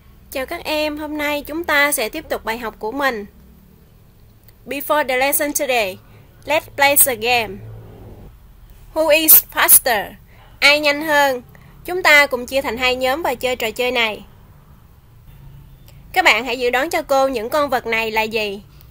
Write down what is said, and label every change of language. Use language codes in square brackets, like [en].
[vi] Chào các em, hôm nay chúng ta sẽ tiếp tục bài học của mình. [en] Before the lesson today, let's play a game. Who is faster? [vi] Ai nhanh hơn? Chúng ta cùng chia thành hai nhóm và chơi trò chơi này. Các bạn hãy dự đoán cho cô những con vật này là gì?